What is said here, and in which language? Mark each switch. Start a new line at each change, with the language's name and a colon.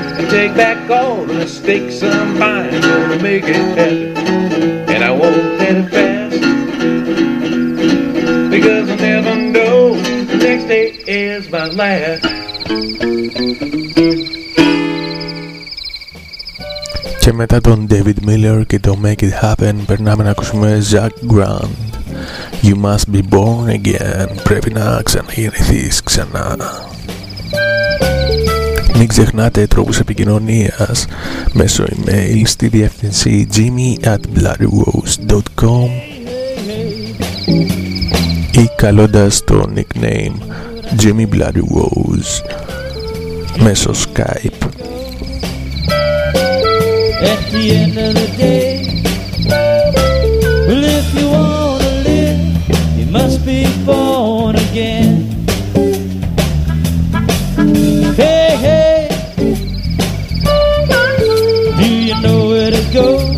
English: Take back all the mistakes of mine. I'm gonna make it happen, and I won't let it pass. Because I'll never know the next day is my last.
Greek: Και μετά τον David Miller και το Make It Happen, περνάμε να ακούσουμε Zach Grant.
English: You must be born again.
Greek: Πρέπει να ξαναγεννηθείς ξανά. Μην ξεχνάτε τρόπους επικοινωνίας μέσω email στη διεύθυνση jimmy@bloodyrose.com ή καλώντας το nickname Jimmy Bloody Rose μέσω Skype.
English: At the end of the day, well, if you wanna live, you must be born again. Hey, hey, do you know where to go?